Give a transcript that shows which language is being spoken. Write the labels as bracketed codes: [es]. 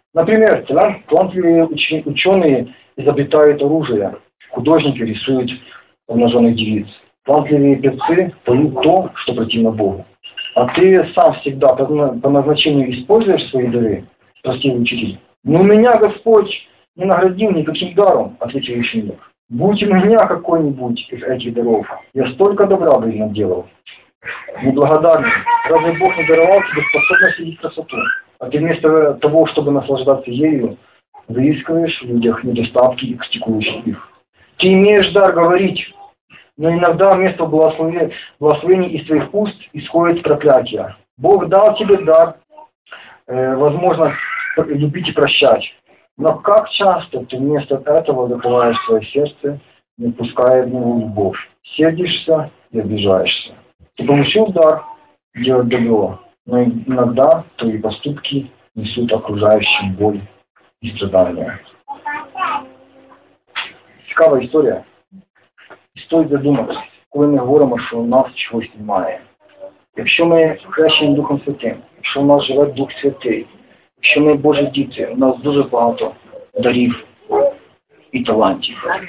[ru] Наприклад, талантливі учені изобретають оружие, художники рисують обнажених девиц. [uk] Талантливі певці поют то, що противно Богу. А ти сам завжди по назначенню используєш свої дари, простив учитель. Ну мене Господь не наградив ніяким даром, ответив ученик. [ru] Будь у мене какой-нибудь із этих даров, я столько добра би наделав. Неблагодарный. Разве Бог не даровал тебе способность видеть красоту? А ты вместо того, чтобы наслаждаться ею, выискиваешь в людях недостатки и критикуешь их. Ты имеешь дар говорить, но иногда вместо благословения из твоих уст исходит проклятие. Бог дал тебе дар, возможность любить и прощать. Но как часто ты вместо этого закрываешь свое сердце, не пуская в него любовь? Сердишься и обижаешься. Ты получил дар делать добро, но иногда твои поступки несут окружающим боль и страдания. [uk] Цікава история. [ru] И стоит задуматься, [uk] коли ми говоримо, що у нас чогось немає. Якщо ми хрещені Духом Святим, якщо у нас живе Дух Святий, якщо ми Божі діти, у нас дуже багато дарів і талантів.